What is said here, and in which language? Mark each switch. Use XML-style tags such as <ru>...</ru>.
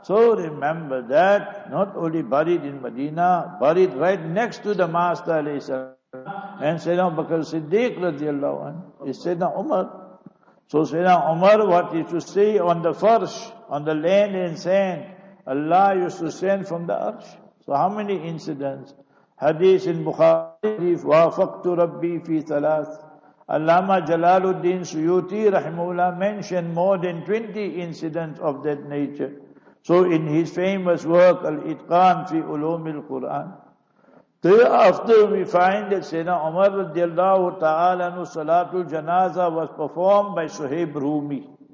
<en>So remember that, not only buried in Medina, buried right next to the Master, alayhi salam, and Sayyidina Abu Bakr Siddiq, radiallahu anhu, is Sayyidina Umar. So Sayyidina Umar, what he used to say on the farsh, on the land and sand, Allah used to send from the arsh. So how many incidents? Hadith in Bukhari,</en> <ar>وَافَقْتُ رَبِّي فِي ثَلَاثِ.</ar> <en>Allama Jalaluddin Suyuti Rahimullah mentioned more than 20 incidents of that nature. So in his famous work, Al-Itqan fi Ulumil Quran, thereafter we find that Sayyidina Umar radiallahu ta'ala anhu Salatul Janaza was performed by Suhaib Rumi.</en>